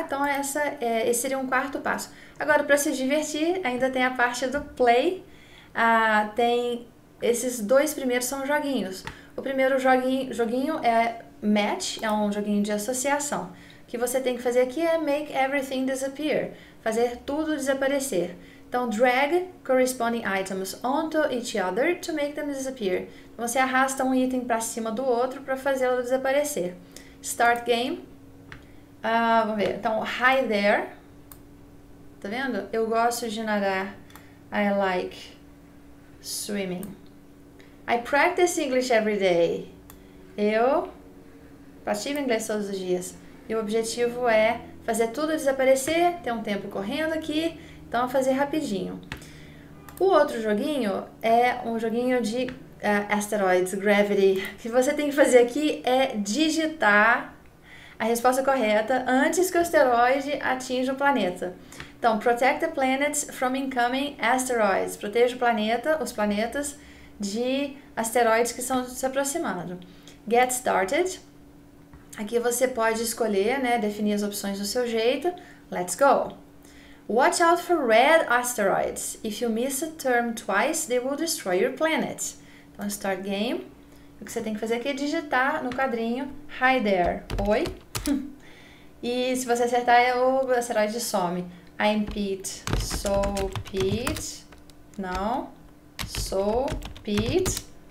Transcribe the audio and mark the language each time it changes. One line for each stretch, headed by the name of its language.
Portuguese: Então esse seria um quarto passo. Agora, para se divertir, ainda tem a parte do play. Tem esses dois primeiros são joguinhos. O primeiro joguinho é match, é um joguinho de associação. O que você tem que fazer aqui é
English: make everything disappear,
Portuguese: fazer tudo desaparecer.
English: Então, drag corresponding items onto each other to make them disappear.
Portuguese: Então, você arrasta um item para cima do outro para fazê-lo desaparecer.
English: Start game.
Portuguese: Vamos ver. Então,
English: hi there.
Portuguese: Tá vendo? Eu gosto de nadar
English: I like swimming. I practice English every day.
Portuguese: Eu pratico inglês todos os dias. E o objetivo é fazer tudo desaparecer, ter um tempo correndo aqui, então fazer rapidinho. O outro joguinho é um joguinho de asteroids, gravity. O que você tem que fazer aqui é digitar a resposta correta antes que o asteroide atinja o planeta.
English: Então, protect the planets from incoming asteroids.
Portuguese: Proteja o planeta, os planetas, de asteroides que estão se aproximando.
English: Get started.
Portuguese: Aqui você pode escolher, né, definir as opções do seu jeito.
English: Let's go. Watch out for red asteroids. If you miss a term twice, they will destroy your planet. Então, start game.
Portuguese: O que você tem que fazer aqui é digitar no quadrinho,
English: hi there,
Portuguese: oi. E se você acertar, o asteroide some.
English: I'm Pete,
Portuguese: sou Pete. Não, sou Pete.